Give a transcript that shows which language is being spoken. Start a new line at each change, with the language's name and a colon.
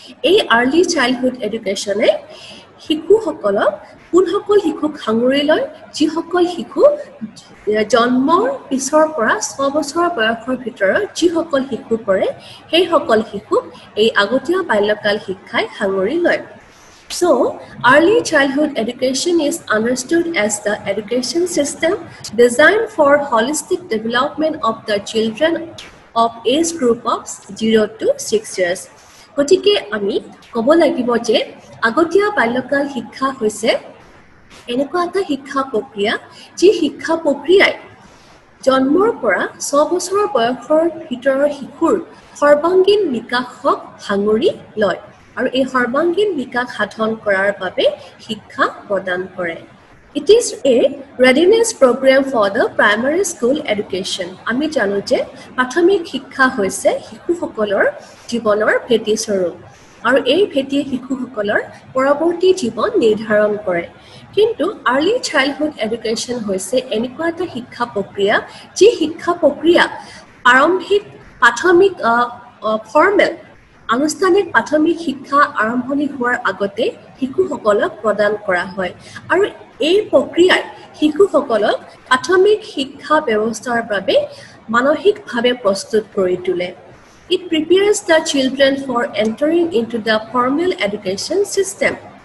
Assamese: এই early childhood এডুকেশ্যনে শিশুসকলক কোনসকল শিশুক সাঙুৰি লয়, যিসকল শিশু জন্মৰ পিছৰ পৰা ছবছৰ বয়সৰ ভিতৰত যিসকল শিশু পৰে, সেইসকল শিশুক এই আগতীয়া বাল্যকাল শিক্ষাই সাঙুৰি লয়।
English: So, early childhood education is understood as the education system designed for holistic development of the children of age group of 0 to 6 years.
Assamese: গতিকে আমি ক'ব লাগিব যে আগতীয়া বাল্যকাল শিক্ষা হৈছে এনেকুৱা এটা শিক্ষা প্ৰক্ৰিয়া যি শিক্ষা প্ৰক্ৰিয়াই জন্মৰ পৰা ছবছৰৰ বয়সৰ ভিতৰৰ শিশুৰ সৰ্বাংগীন বিকাশক সাঙুৰি লয়, আৰু এই সৰ্বাংগীন বিকাশ সাধন কৰাৰ বাবে শিক্ষা প্ৰদান কৰে।
English: It is a readiness programme for the primary school education.
Assamese: আমি জানো যে প্ৰাথমিক শিক্ষা হৈছে শিশুসকলৰ জীৱনৰ ভেটিস্বৰূপ, আৰু এই ভেটিয়ে শিশুসকলৰ পৰৱৰ্তী জীৱন নিৰ্ধাৰণ কৰে। কিন্তু আৰ্লি চাইল্ডহুড এডুকেশ্যন হৈছে এনেকুৱা এটা শিক্ষা প্ৰক্ৰিয়া যি শিক্ষা প্ৰক্ৰিয়া প্ৰাৰম্ভিক প্ৰাথমিক ফৰ্মেল আনুষ্ঠানিক প্ৰাথমিক শিক্ষা আৰম্ভণি হোৱাৰ আগতে শিশুসকলক প্ৰদান কৰা হয়, আৰু এই প্ৰক্ৰিয়াই শিশুসকলক প্ৰাথমিক শিক্ষা ব্যৱস্থাৰ বাবে মানসিকভাৱে প্ৰস্তুত কৰি তোলে।
English: It prepares the children for entering into the formal education system.